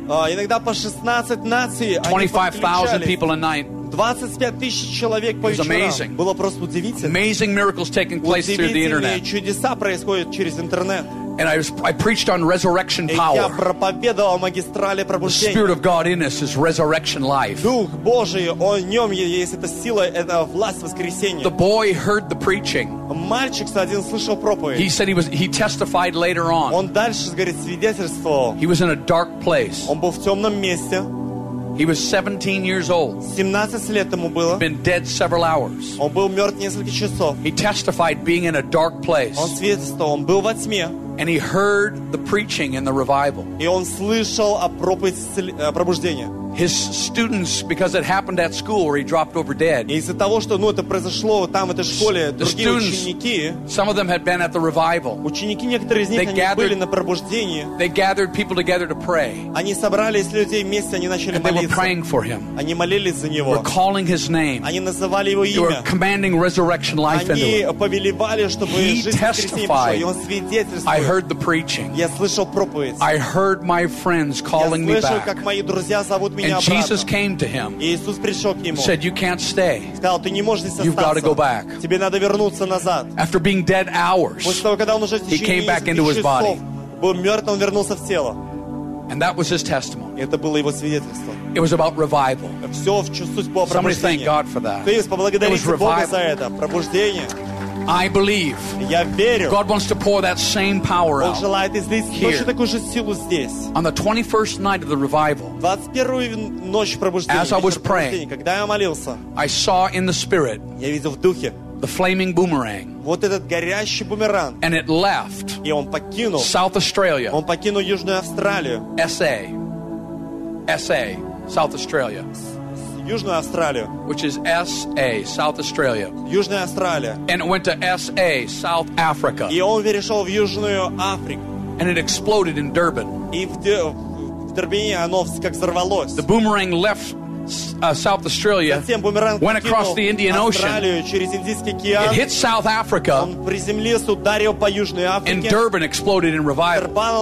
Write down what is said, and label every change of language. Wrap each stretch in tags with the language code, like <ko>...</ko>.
<ru>Иногда по 16 наций.</ru> <en>25,000 people a night.</en> <ru>25,000 человек по вечерам.</ru> <en>Amazing.</en> <ru>Было просто удивительно.</ru> <en>Amazing miracles taking place through the internet.</en> <ru>Чудеса происходят через интернет.</ru> <en>And I preached on resurrection power.</en> <ru>Я проповедовал о магистрали пробуждения.</ru> <en>The Spirit of God in us is resurrection life.</en> <ru>Дух Божий, о нем есть эта сила, это власть воскресения.</ru> <en>The boy heard the preaching.</en> <ru>Мальчик один слышал проповедь.</ru> <en>He said he testified later on.</en> <ru>Он дальше говорит свидетельствовал.</ru> <en>He was in a dark place.</en> <ru>Он был в темном месте.</ru> <en>He was 17 years old.</en> <ru>17 лет ему было.</ru> <en>He'd been dead several hours.</en> <ru>Он был мертв несколько часов.</ru> <en>He testified being in a dark place.</en> <ru>Он свидетельствовал, он был во тьме.</ru> <en>And he heard the preaching and the revival.</en> <ru>И он слышал о проповеди пробуждения.</ru> <en>His students, because it happened at school where he dropped over dead.</en> <ru>Из-за того, что это произошло там в этой школе, другие ученики.</ru> <en>Some of them had been at the revival.</en> <ru>Ученики некоторые из них были на пробуждении.</ru> <en>They gathered people together to pray.</en> <ru>Они собрались людей вместе, они начали молиться.</ru> <en>And they were praying for him.</en> <ru>Они молились за него.</ru> <en>Were calling his name.</en> <ru>Они называли его имя.</ru> <en>They were commanding resurrection life into him.</en> <ru>Они повелевали, чтобы жизнь воскресения. И он свидетельствовал.</ru> <en>I heard the preaching.</en> <ru>Я слышал проповедь.</ru> <en>I heard my friends calling me back.</en> <ru>Я слышал, как мои друзья зовут.</ru> <en>And Jesus came to him and said, you can't stay. You've got to go back. After being dead hours, he came back into his body. And that was his testimony. It was about revival. Somebody thank God for that. It was revival. I believe.</en> <ru>Я верю.</ru> <en>God wants to pour that same power out.</en> <ru>Бог желает излить точно такую же силу здесь.</ru> <en>On the 21st night of the revival.</en> <ru>21-ю ночь пробуждения.</ru> <en>As I was praying,</en> <ru>когда я молился,</ru> <en>I saw in the spirit.</en> <ru>Я видел в духе.</ru> <en>The flaming boomerang.</en> <ru>Вот этот горящий бумеранг.</ru> <en>And it left.</en> <ru>И он покинул.</ru> <en>South Australia.</en> <ru>Он покинул Южную Австралию.</ru> <en>SA. SA. South Australia.</en> <ru>Южную Австралию.</ru> <en>Which is SA, South Australia.</en> <ru>Южная Австралия.</ru> <en>And it went to SA, South Africa.</en> <ru>И он перешел в Южную Африку.</ru> <en>And it exploded in Durban.</en> <ru>И в Дурбане оно как взорвалось.</ru> <en>The boomerang left South Australia, went across the Indian Ocean. It hit South Africa. And Durban exploded in revival.</en>